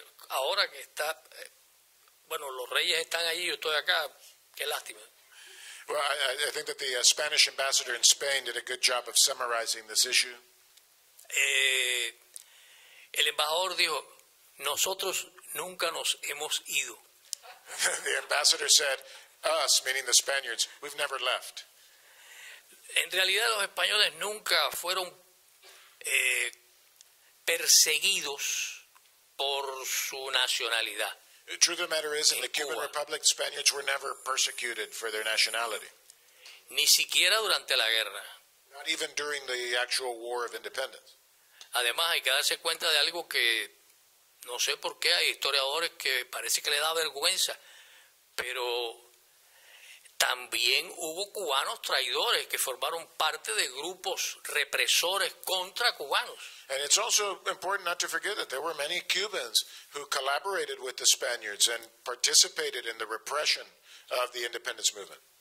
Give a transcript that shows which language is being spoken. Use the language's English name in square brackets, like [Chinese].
[Spanish] Ahora que está... Bueno, los reyes están allí, yo estoy acá. Qué lástima. [English] Well, I think that the Spanish ambassador in Spain did a good job of summarizing this issue. [Spanish] El embajador dijo, nosotros nunca nos hemos ido. [English] The ambassador said, us, meaning the Spaniards, we've never left. [Spanish] En realidad, los españoles nunca fueron perseguidos por su nacionalidad. [English] The truth of the matter is, in the Cuban Republic, Spaniards were never persecuted for their nationality. [Spanish] Ni siquiera durante la guerra. [English] Not even during the actual war of independence. [Spanish] Además, hay que darse cuenta de algo que, no sé por qué, hay historiadores que parece que le da vergüenza, pero También hubo cubanos traidores que formaron parte de grupos represores contra cubanos. [English] And it's also important not to forget that there were many Cubans who collaborated with the Spaniards and participated in the repression of the independence movement.